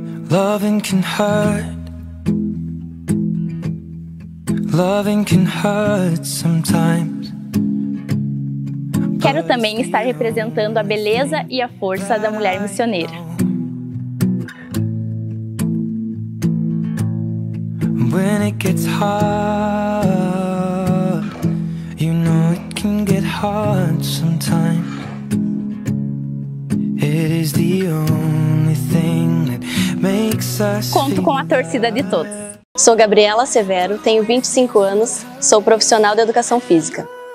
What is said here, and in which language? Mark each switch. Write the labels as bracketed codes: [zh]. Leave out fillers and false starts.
[en] Loving can hurt. Loving can hurt sometimes. [pt] Quero também estar representando a beleza e a força da mulher missioneira. [en] When it gets hard, you know it can get hard sometimes. It is the only thing that makes us. [pt] Conto com a torcida de todos. Sou Gabriela Severo, tenho 25 anos, sou profissional de educação física.